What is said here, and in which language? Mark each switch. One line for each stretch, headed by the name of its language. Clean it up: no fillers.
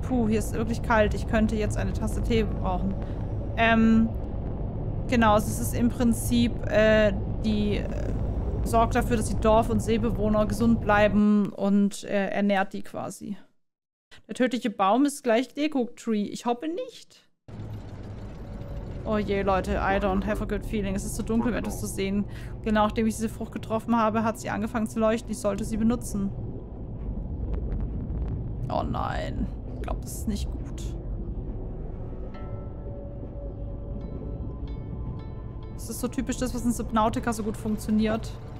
German: Puh, hier ist wirklich kalt. Ich könnte jetzt eine Tasse Tee brauchen. Genau, es ist im Prinzip die... sorgt dafür, dass die Dorf- und Seebewohner gesund bleiben und ernährt die quasi. Der tödliche Baum ist gleich Deko-Tree. Ich hoffe nicht. Oh je, Leute,
English: I don't have a good feeling.
German: Es ist zu dunkel, um etwas zu sehen. Genau, nachdem ich diese Frucht getroffen habe, hat sie angefangen zu leuchten. Ich sollte sie benutzen. Oh nein. Ich glaube, das ist nicht gut. Das ist so typisch das, was in Subnautica so gut funktioniert.